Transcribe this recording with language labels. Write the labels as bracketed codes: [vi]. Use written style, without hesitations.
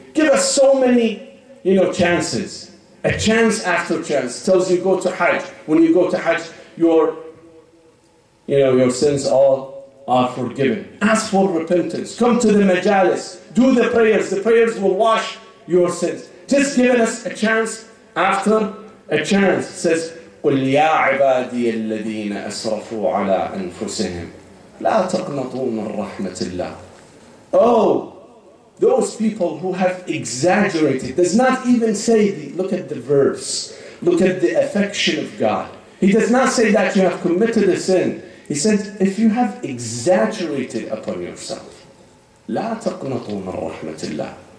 [en] Give us so many, you know, chances. A chance after chance tells you go to Hajj. When you go to Hajj, your sins all are forgiven. Ask for repentance. Come to the majalis. Do the prayers. The prayers will wash your sins. Just giving us a chance after a chance. [ar] It says, قُلْ يَا عِبَادِيَ الَّذِينَ أَسْرَفُوا عَلَىٰ أَنفُسِهِمْ لَا تَقْنَطُوا مِن رَحْمَةِ اللَّهِ. [en] Oh, those people who have exaggerated, does not even say, look at the verse, look at the affection of God. He does not say that you have committed a sin. He says, if you have exaggerated upon yourself, [ar] لَا تَقْنَطُوا مِن رَحْمَةِ اللَّهِ.